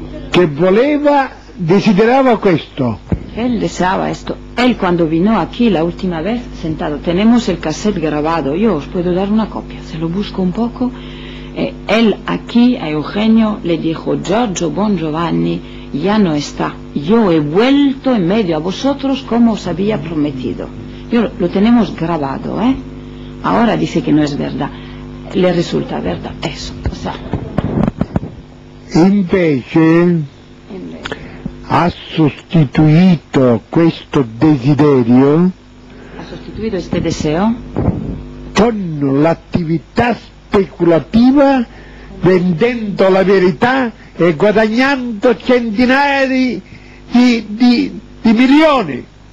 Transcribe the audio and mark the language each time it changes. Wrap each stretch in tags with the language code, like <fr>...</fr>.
<it>Che voleva, desiderava questo.</it> <es>Él deseaba esto. Él cuando vino aquí la última vez, sentado, tenemos el cassette grabado, yo os puedo dar una copia, se lo busco un poco. Él aquí a Eugenio le dijo, Giorgio Bongiovanni ya no está, yo he vuelto en medio a vosotros como os había prometido. Yo lo tenemos grabado, ¿eh? Ahora dice que no es verdad, le resulta verdad, eso, o sea.</es> <it>Invece ha sostituito questo desiderio,</it> <es>ha sostituito este deseo</es> <it>con l'attività speculativa, vendendo la verità e guadagnando centinaia di milioni.</it>